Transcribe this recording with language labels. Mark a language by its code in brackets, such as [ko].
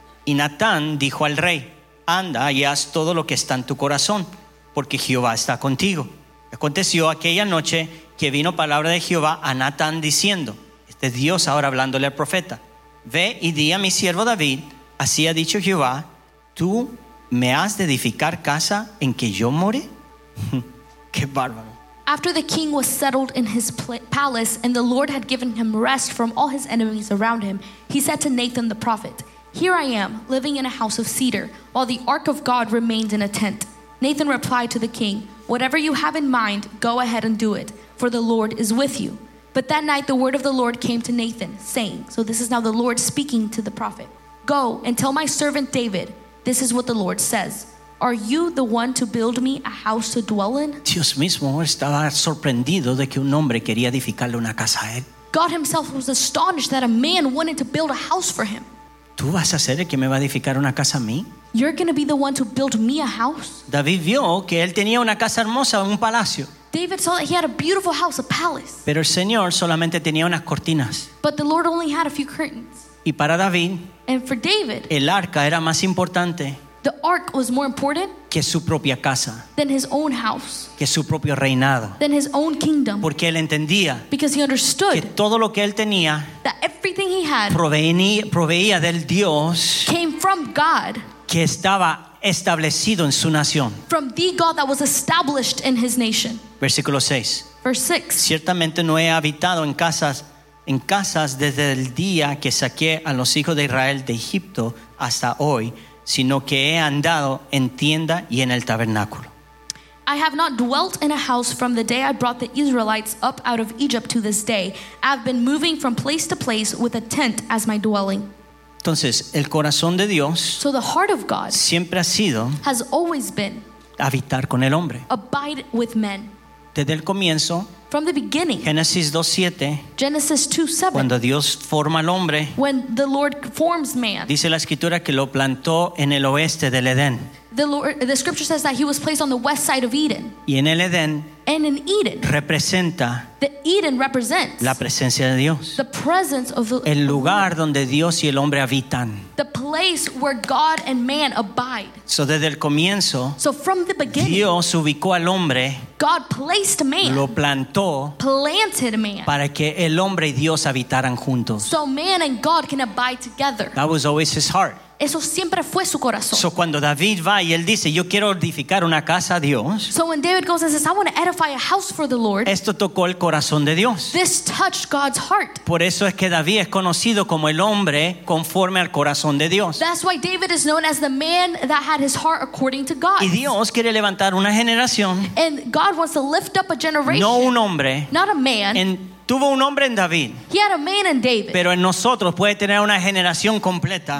[es] Y Natán dijo al rey: Anda y haz todo lo que está en tu corazón, porque Jehová está contigo. Aconteció aquella noche que vino palabra de Jehová a Natán diciendo: Este es Dios ahora hablándole al profeta. Ve y di a mi siervo David: Así ha dicho Jehová, ¿tú me has de edificar casa en que yo more? Qué bárbaro. [en] After the king was settled in his palace and the Lord had given him rest from all his enemies around him, he said to Nathan the prophet, Here I am, living in a house of cedar, while the ark of God remains in a tent. Nathan replied to the king, Whatever you have in mind, go ahead and do it, for the Lord is with you. But that night the word of the Lord came to Nathan, saying, So this is now the Lord speaking to the prophet, Go and tell my servant David, this is what the Lord says. Are you the one to build me a house to dwell in? [es] Dios mismo estaba sorprendido de que un hombre quería edificarle una casa a él. [en] God himself was astonished that a man wanted to build a house for him. [es] ¿Tú vas a ser el que me va a edificar una casa a mí? [en] You're going to be the one to build me a house? [es] David vio que él tenía una casa hermosa, un palacio. [en] David saw that he had a beautiful house, a palace. [es] Pero el Señor solamente tenía unas cortinas. [en] But the Lord only had a few curtains. [es] Y para David, [en] and for David, [es] el arca era más importante. [en] The ark was more important [es] que su propia casa, [en] than his own house, [es] que su propio reinado, [en] than his own kingdom. [es] Porque él entendía, [en] because he understood [es] que todo lo que él tenía, [en] that everything he had [es] proveía del Dios, [en] came from God, [es] que estaba establecido en su nación, [en] from the God that was established in his nation. [es] Versículo 6. [en] Verse 6. [es] Ciertamente no he habitado en casas desde el día que saqué a los hijos de Israel de Egipto hasta hoy, sino que he andado en tienda y en el tabernáculo. [en] I have not dwelt in a house from the day I brought the Israelites up out of Egypt to this day. I have been moving from place to place with a tent as my dwelling. [es] Entonces, el corazón de Dios, [en] so the heart of God, [es] siempre ha sido, [en] has always been, [es] habitar con el hombre. [en] Abide with men. [es] Desde el comienzo, [en] from the beginning, [es] Genesis 2:7, cuando Dios forma al hombre, [en] when the Lord forms man, [es] dice la escritura que lo plantó en el oeste del Edén. [en] The scripture says that he was placed on the west side of Eden. [es] Y en el Edén, [en] and in Eden, [es] representa, [en] the Eden represents, [es] la presencia de Dios, [en] the presence of the, [es] el lugar donde Dios y el hombre habitan, [en] the place where God and man abide. [es] So desde el comienzo, [en] so from the beginning, [es] Dios ubicó al hombre, [en] God placed man, [es] lo plantó, [en] planted man, [es] para que el hombre y Dios habitaran juntos, [en] so man and God can abide together. That was always his heart. [es] Eso siempre fue su corazón. So cuando David va y él dice, yo quiero edificar una casa a Dios. [en] So when David goes and says, I want to edify a house for the Lord. [es] Esto tocó el corazón de Dios. [en] This touched God's heart. [es] Por eso es que David es conocido como el hombre conforme al corazón de Dios. [en] That's why David is known as the man that had his heart according to God. [es] Y Dios quiere levantar una generación. [en] And God wants to lift up a generation. [es] No un hombre. [en] Not a man. [es] Tuvo un hombre en David. [en] He had a man in David. [es] Pero en nosotros puede tener una generación completa.